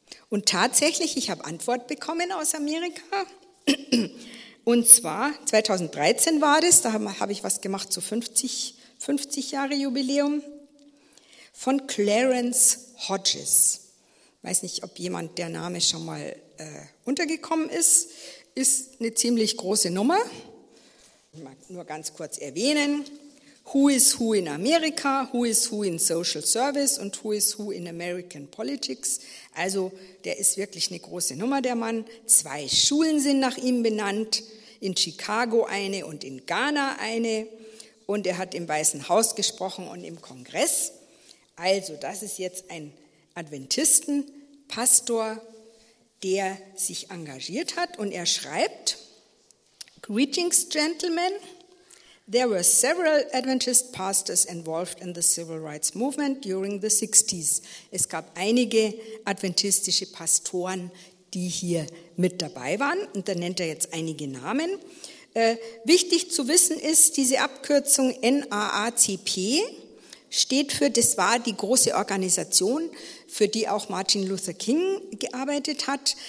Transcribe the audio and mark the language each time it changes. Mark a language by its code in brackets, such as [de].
[de] Und tatsächlich, ich habe Antwort bekommen aus Amerika, und zwar 2013 war das, da habe ich was gemacht zu 50 Jahre Jubiläum, von Clarence Hodges. Weiß nicht, ob jemand der Name schon mal untergekommen ist. Ist eine ziemlich große Nummer. Ich mag nur ganz kurz erwähnen. [en] Who is who in Amerika? Who is who in Social Service? Und who is who in American Politics? [de] Also der ist wirklich eine große Nummer, der Mann. 2 Schulen sind nach ihm benannt. In Chicago eine und in Ghana eine. Und er hat im Weißen Haus gesprochen und im Kongress. Also, das ist jetzt ein, Adventisten, Pastor, der sich engagiert hat, und er schreibt: [en] Greetings, gentlemen. There were several Adventist pastors involved in the civil rights movement during the 60s. [de] Es gab einige adventistische Pastoren, die hier mit dabei waren. Und da nennt er jetzt einige Namen. Wichtig zu wissen ist, diese Abkürzung NAACP steht für, das war die große Organisation, für die auch Martin Luther King gearbeitet hat.